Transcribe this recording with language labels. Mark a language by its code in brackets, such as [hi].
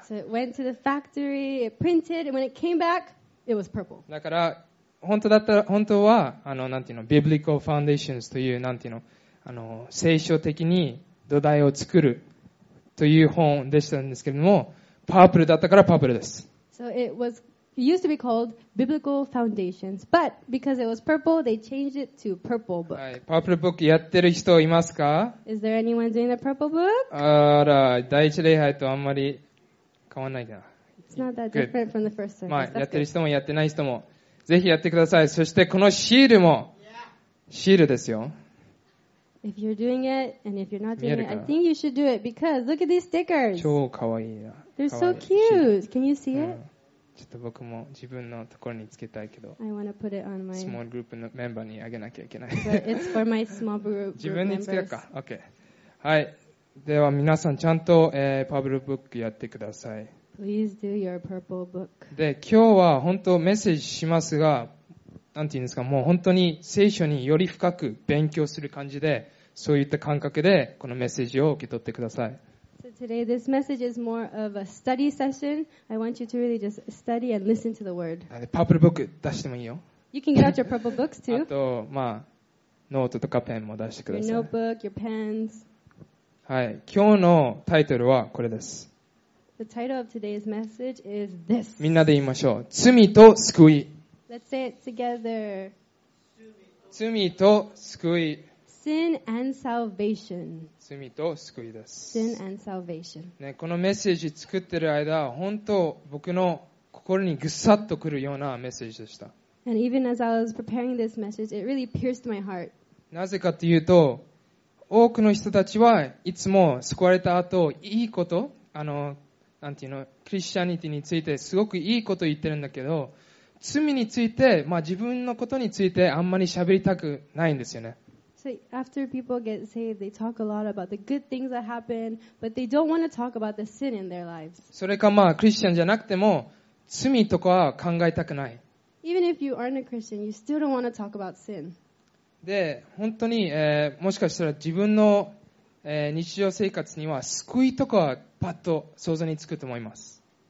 [en] So it went to the factory, it printed, and when it came back,It was purple. [ja] だから本当だったら本当はなんていうの Biblical Foundations というなんていうの聖書的に土台を作るという本でしたんですけれどもパープルだったからパープルです。 [en] So it was it used to be called Biblical Foundations, but because it was purple, they changed it to purple book. [ja] はい、パープルブックやってる人いますか [en] ？Is there anyone doing the purple book? [ja] あら、第一礼拝とあんまり変わらないかな。 [en] It's not that different from the first service. [ja] まあ、やってる人もやってない人もぜひやってください。そしてこのシールもシールですよ。 [en] If you're doing it and if you're not doing it, I think you should do it because look at these stickers. [ja] 超かわいいな。 [en] They're so cute. Can you see it? [ja] ちょっと僕も自分のところにつけたいけど。 [en] I want to put it on my small group [ja] のメンバーにあげなきゃいけない。 [en] But it's for my small group members. [ja] 自分につけようか。OK。 はい。では皆さんちゃんと、パブルブックやってください。 [en] Please do your purple book. [ja] で、今日は本当メッセージしますが、なんて言うんですか、もう本当に聖書により深く勉強する感じで、そういった感覚でこのメッセージを受け取ってください。 [en] So today this message is more of a study session. I want you to really just study and listen to the word. [ja] パープルブック出してもいいよ。 [en] You can get out your purple books too. [ja] あと、まあ、ノートとかペンも出してください。 [en] Your notebook, your pens. [ja] はい。今日のタイトルはこれです。 [en] The title of today's message is this. [ja] みんなで言いましょう。罪と救い。 [en] Let's say it together. [ja] 罪と救い。 [en] Sin and salvation. [ja] 罪と救いです。 [en] Sin and salvation. [ja] ね、このメッセージ作ってる間、本当僕の心にぐさっとくるようなメッセージでした。 [en] And even as I was preparing this message, it really pierced my heart. [ja] なぜかというと、多くの人たちはいつも救われた後、いいこと、なんていうのクリスチャニティについてすごくいいことを言ってるんだけど罪について、まあ、自分のことについてあんまり喋りたくないんですよね。 [en] So after people get saved, they talk a lot about the good things that happen, but they don't want to talk about the sin in their lives. [ja] それかまあクリスチャンじゃなくても罪とかは考えたくない。 [en] Even if you aren't a Christian, you still don't want to talk about sin. [ja] で本当に、もしかしたら自分の、日常生活には救いとかはパッと想像につくと思います。